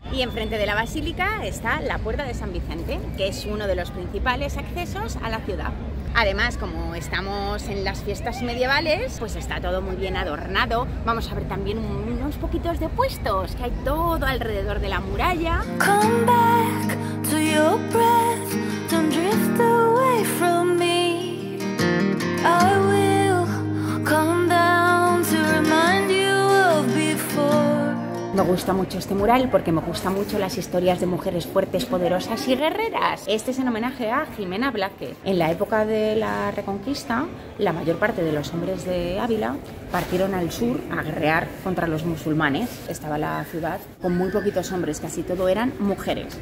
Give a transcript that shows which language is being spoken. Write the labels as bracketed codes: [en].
[es] Y enfrente de la basílica está la Puerta de San Vicente, que es uno de los principales accesos a la ciudad. Además, como estamos en las fiestas medievales, pues está todo muy bien adornado. Vamos a ver también unos poquitos de puestos que hay todo alrededor de la muralla. [en] Come back to your breath, don't drift away from me. I will come down to remind you of before. [es] Me gusta mucho este mural porque me gustan mucho las historias de mujeres fuertes, poderosas y guerreras. Este es en homenaje a Jimena Blázquez. En la época de la Reconquista, la mayor parte de los hombres de Ávila partieron al sur a guerrear contra los musulmanes. Estaba la ciudad con muy poquitos hombres, casi todo eran mujeres.